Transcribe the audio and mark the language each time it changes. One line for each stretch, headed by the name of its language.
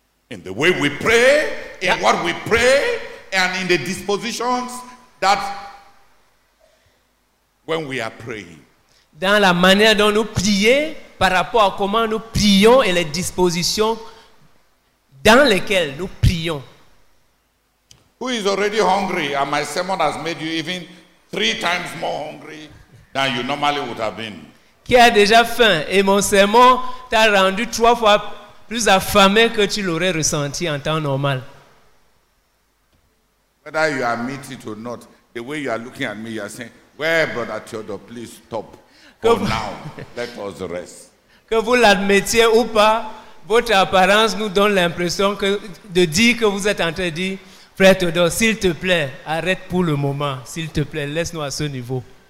English: In the way we pray, in what we pray, and in the dispositions that when we are praying.
French: Dans la manière dont nous prions, par rapport à comment nous prions et les dispositions dans lesquelles nous prions.
English: Who is already hungry and my sermon has made you even three times more hungry than you normally would have been?
French: Qui a déjà faim et mon sermon t'a rendu trois fois plus affamé que tu l'aurais ressenti en temps normal?
English: Whether you admit it or not, the way you are looking at me, you are saying, well, brother Theodore, please stop. Now, let us rest.
French: Que vous l'admettiez ou pas, votre apparence nous donne l'impression que, de dire que vous êtes en train de dire, frère Theodore, s'il te plaît, arrête pour le moment, s'il te plaît, laisse-nous à ce niveau.